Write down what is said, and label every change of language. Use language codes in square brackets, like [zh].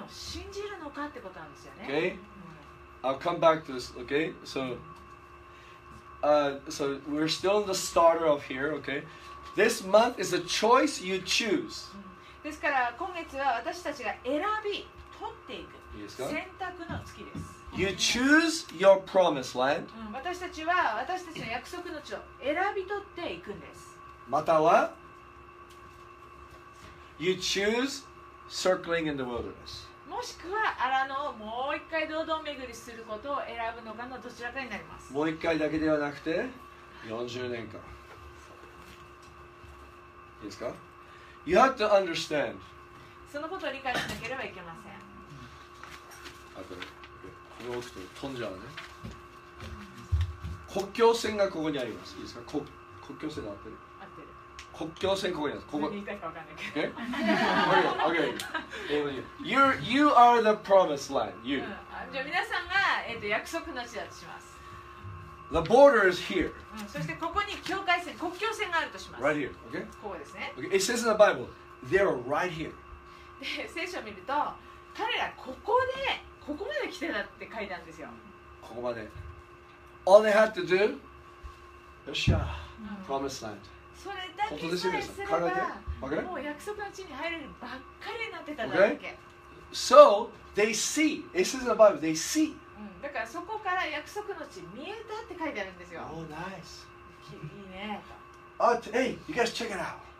[en] Okay, I'll come back to this. Okay, so, so we're still in the starter of here. Okay, this month is a choice you choose. [ja] ですから今月は私たちが選び取っていく選択の月です。 [en] You choose your promised land. [ja] 私たちは私たちの約束の地を選び取っていくんです。または [en] You choose circling in the wilderness. [ja] もしくは荒野をもう一回堂々巡りすることを選ぶのかのどちらかになります。もう一回だけではなくて40年間。いいですか? [en] You have to understand. [ja] そのことを理解しなければいけません。あとね、これを置くと飛んじゃうね。国境線がここにあります。いいですか?国境線が合ってる。国境線ここにあります。ここ。何言いたいか分かんないけど。 [en] Okay? Okay. You are the promised land. You.、う [ja] ん、じゃあ皆さんが、約束の地だとします。 [en] The border is here.、 [ja] うん、そしてここに境界線、国境線があるとします。 [en] Right here. Okay? [ja] ここですね。 [en] Okay. It says in the Bible, they are right here. [ja] で、聖書を見ると、彼らここで、ここまで来てたって書いてあるんですよ。ここまで。 [en] All they had to do, [ja] よっしゃ、うん、 [en] promised land. [ja] それだけさえすれば、もう約束の地に入れるばっかりになってただけ。 [en] Okay? So, they see. It says in the Bible, they see.、 [ja] うん、だからそこから約束の地見えたって書いてあるんですよ。 [en] Oh, nice. [ja] いいね。 [en] Hey, you guys check it out.